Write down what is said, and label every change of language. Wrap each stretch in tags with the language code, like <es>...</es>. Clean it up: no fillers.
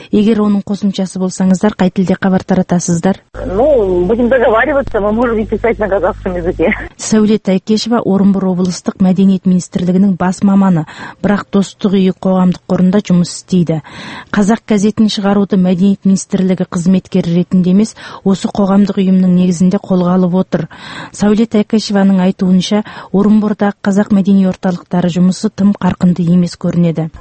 <kk>Егер оның қосымшасы болсаңыздар, қай тілде хабар таратасыздар?</kk> <ru>Будем договариваться, мы можем писать на казахском языке.</ru> <kk>Сәуле Тайкешова Орынбор облыстық мәдениет министрлігінің бас маманы. Бірақ достық Қазақ үйі қоғамдық қорында жұмыс істейді. Қазақ газетін шығаруды мәдениет министрлігі қызметкері ретінде емес, осы қоғамдық ұйымның негізінде қолға алып отыр. Сәуле Тайкашеваның айтуынша, Орынборда қазақ мәдени орталықтары жұмысы тым қарқынды емес көрінеді.</kk>